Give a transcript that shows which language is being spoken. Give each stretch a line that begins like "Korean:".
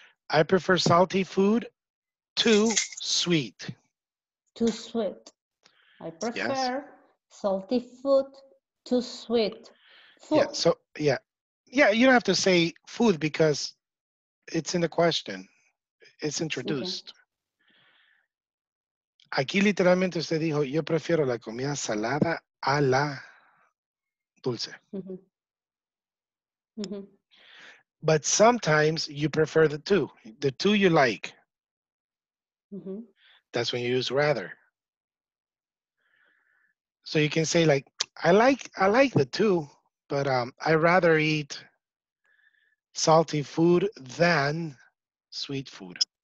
English: I prefer salty food to sweet. Too sweet. I prefer salty food to sweet food. Yeah, you don't have to say food because it's in the question. It's introduced. Okay.
Spanish: Aquí literalmente usted dijo, yo prefiero la comida salada a la dulce.
English: But sometimes you prefer the two you like. That's when you use rather. So you can say like, I like the two, but I'd rather eat salty food than sweet food.